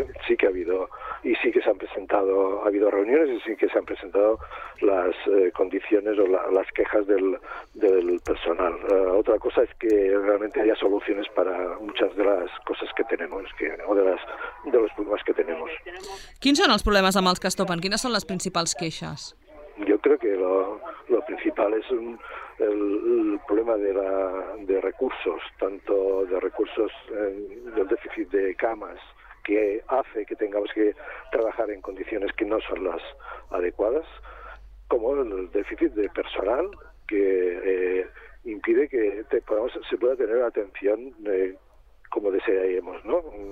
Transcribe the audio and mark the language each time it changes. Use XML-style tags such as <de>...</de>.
<es>Sí que ha habido y sí que se han presentado, ha habido reuniones y sí que se han presentado las condiciones o las quejas del personal. Otra cosa es que realmente haya soluciones para muchas de las cosas que tenemos, de los problemas que tenemos.</es> <ca>¿Quins són els problemes amb els que es topen? ¿Quines són les principals queixes?</ca> <es>Yo creo que lo principal es el problema de recursos, tanto de recursos del déficit de camas, que hace que tengamos que trabajar en condiciones que no son las adecuadas, como el déficit de personal, que impide que se pueda tener atención como desearíamos, ¿no?</es>